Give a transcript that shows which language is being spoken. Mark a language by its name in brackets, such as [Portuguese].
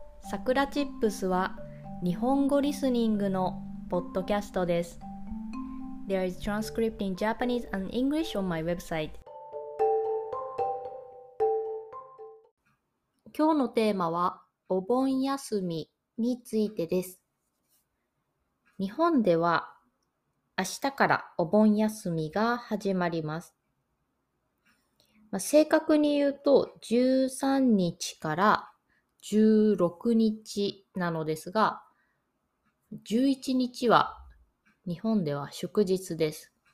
[Japanese] さくらチップスは日本語リスニングのポッドキャストです。 [English] There is transcript in Japanese and English on my website。 [Japanese] 今日のテーマはお盆休みについてです。日本では明日からお盆休みが始まります。まあ、正確に言うと13日から16日なのですが、11日は日本では祝日です。